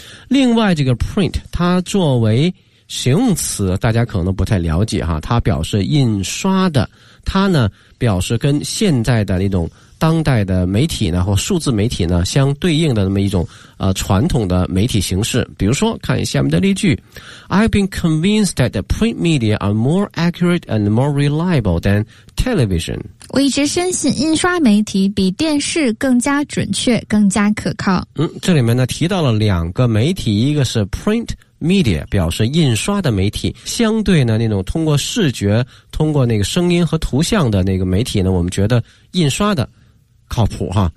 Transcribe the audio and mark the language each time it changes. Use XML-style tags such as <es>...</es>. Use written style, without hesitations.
<zh>另外这个 print 它作为形容词大家可能不太了解哈，它表示印刷的，它呢表示跟现在的那种当代的媒体呢或数字媒体呢相对应的那么一种传统的媒体形式。比如说看下面的例句，</zh> <en>I've been convinced that the print media are more accurate and more reliable than television。</en> <zh>我一直深信印刷媒体比电视更加准确更加可靠。嗯，这里面呢提到了两个媒体，一个是 print media 表示印刷的媒体，相对呢那种通过视觉通过那个声音和图像的那个媒体呢，我们觉得印刷的靠谱哈。</zh>